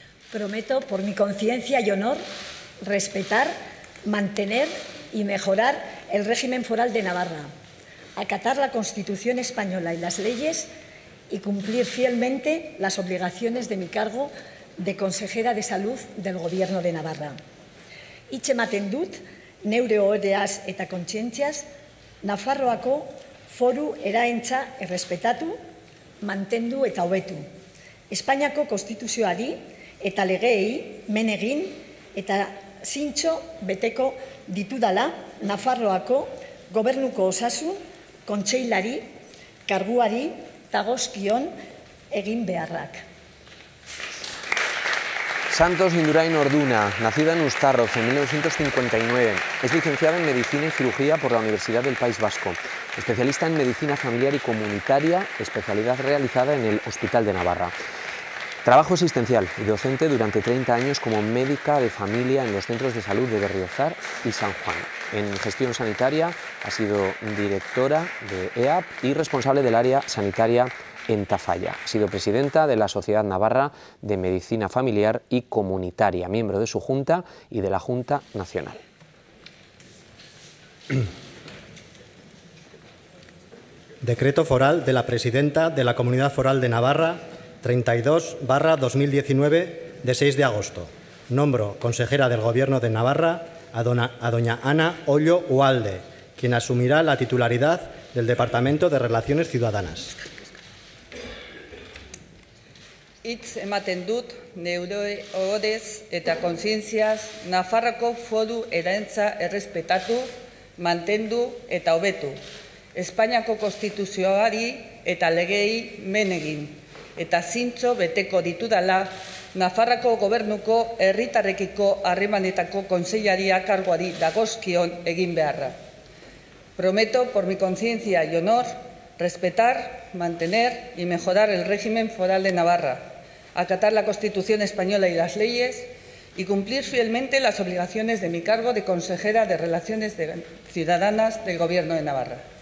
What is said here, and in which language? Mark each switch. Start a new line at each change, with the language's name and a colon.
Spanish: Prometo, por mi conciencia y honor, respetar, mantener y mejorar el régimen foral de Navarra, acatar la Constitución española y las leyes y cumplir fielmente las obligaciones de mi cargo de consejera de Salud del Gobierno de Navarra.
Basque: Hitz ematen dut, neure ohoreaz eta kontzientziaz, Nafarroako foru eraentza errespetatu, mantendu eta hobetu. Espainiako konstituzioari eta legeei men egin eta zintxo beteko ditudala Nafarroako gobernuko osasun kontseilari karguari dagozkion egin beharrak.
Spanish: Santos Indurain Orduna, nacida en Ustarroz en 1959, es licenciada en Medicina y Cirugía por la Universidad del País Vasco, especialista en Medicina Familiar y Comunitaria, especialidad realizada en el Hospital de Navarra. Trabajo asistencial y docente durante 30 años como médica de familia en los centros de salud de Berriozar y San Juan. En gestión sanitaria ha sido directora de EAP y responsable del área sanitaria en Tafalla. Ha sido presidenta de la Sociedad Navarra de Medicina Familiar y Comunitaria, miembro de su Junta y de la Junta Nacional. Decreto foral de la presidenta de la Comunidad Foral de Navarra 32/2019 de 6 de agosto. Nombro consejera del Gobierno de Navarra a doña Ana Ollo Ualde, quien asumirá la titularidad del Departamento de Relaciones Ciudadanas.
Basque: Hitz ematen dut, neure ohorez eta kontzientziaz, Nafarroako foru eraentza errespetatu, mantendu eta hobetu. Espainiako konstituzioari eta legei men egin eta zintxo beteko ditudala Nafarroako gobernuko herritarrekiko harremanetako kontseilaria karguari dagozkion egin beharra.
Spanish: Prometo, por mi conciencia y honor, respetar, mantener y mejorar el régimen foral de Navarra, acatar la Constitución española y las leyes y cumplir fielmente las obligaciones de mi cargo de consejera de Relaciones Ciudadanas del Gobierno de Navarra.